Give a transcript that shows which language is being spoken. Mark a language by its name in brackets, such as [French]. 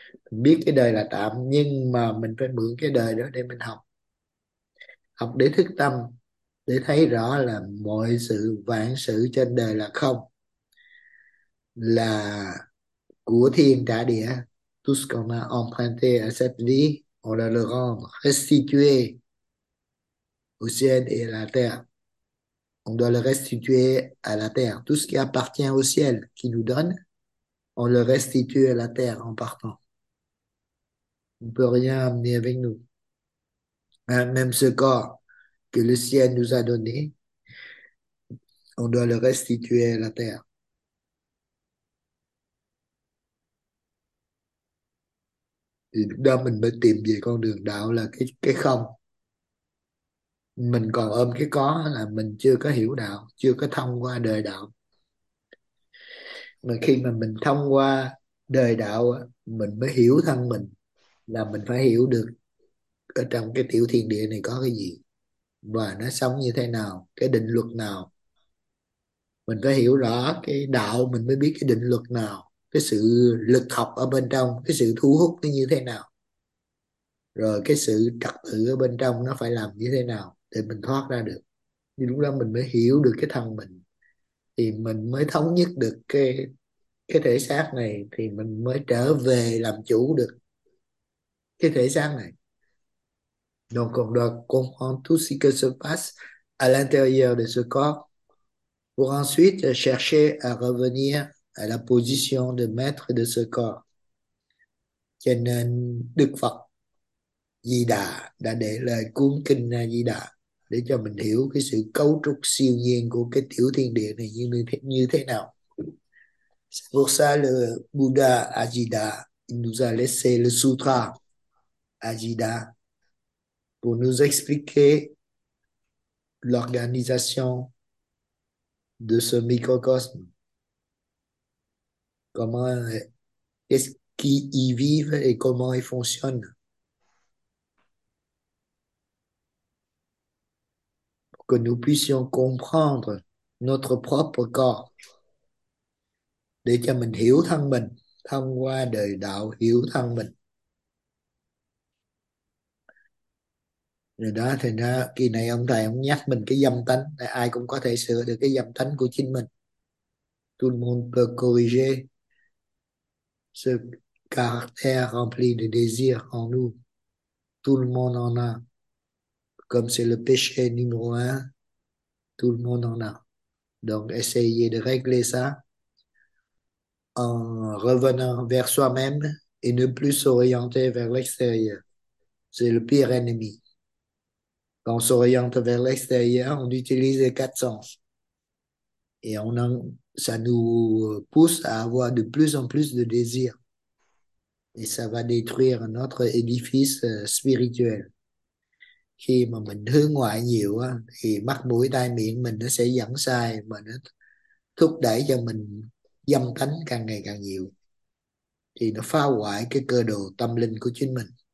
[Vietnamese] Biết cái đời là tạm nhưng mà mình phải mượn cái đời đó để mình học, học để thức tâm, để thấy rõ là mọi sự vạn sự trên đời là không, là của thiên trả địa. [French] Tout ce qu'on a emprunté à cette vie, on doit le rendre, restituer au ciel et à la terre. On doit le restituer à la terre. Tout ce qui appartient au ciel, qui nous donne, on le restitue à la terre en partant. On ne peut rien amener avec nous. Même ce corps que le ciel nous a donné, on doit le restituer à la terre. [Vietnamese] Thì lúc đó mình mới tìm về con đường đạo là cái không. Mình còn ôm cái có là mình chưa có hiểu đạo, chưa có thông qua đời đạo. Mà khi mà mình thông qua đời đạo, mình mới hiểu thân mình. là mình phải hiểu được ở trong cái tiểu thiên địa này có cái gì và nó sống như thế nào, cái định luật nào. Mình phải hiểu rõ cái đạo mình mới biết cái định luật nào, cái sự lực học ở bên trong, cái sự thu hút nó như thế nào. Rồi cái sự trật tự ở bên trong nó phải làm như thế nào để mình thoát ra được. Thì lúc đó mình mới hiểu được cái thân mình, thì mình mới thống nhất được cái thể xác này, thì mình mới trở về làm chủ được cái thể xác này. [French] Donc on doit comprendre tout ce qui se passe à l'intérieur de ce corps pour ensuite chercher à revenir à la position de maître de ce corps. [Vietnamese] Cho nên Đức Phật Di Đà đã để lại cuốn kinh A Di Đà để cho mình hiểu cái sự cấu trúc siêu nhiên của cái tiểu thiên địa này như thế nào. [French] C'est pour ça le Bouddha A Di Đà nous a laissé le sutra A Di Đà pour nous expliquer l'organisation de ce microcosme. Comment est-ce qu'ils y vivent et comment ils fonctionnent? Que nous puissions comprendre notre propre corps, [Vietnamese] để cho mình hiểu thân mình thông qua đời đạo, hiểu thân mình. Rồi đó thì đó, kỳ này ông thầy ông nhắc mình cái dâm tánh, ai cũng có thể sửa được cái dâm tánh của chính mình. [French] Tout le monde peut corriger ce caractère rempli de désir en nous. Tout le monde en a. Comme c'est le péché numéro un, tout le monde en a. Donc, essayez de régler ça en revenant vers soi-même et ne plus s'orienter vers l'extérieur. C'est le pire ennemi. Quand on s'oriente vers l'extérieur, on utilise les quatre sens. Et ça nous pousse à avoir de plus en plus de désirs. Et ça va détruire notre édifice spirituel. [Vietnamese] Khi mà mình hướng ngoại nhiều á, thì mắt mũi tai miệng mình nó sẽ dẫn sai, mà nó thúc đẩy cho mình dâm tánh càng ngày càng nhiều, thì nó phá hoại cái cơ đồ tâm linh của chính mình.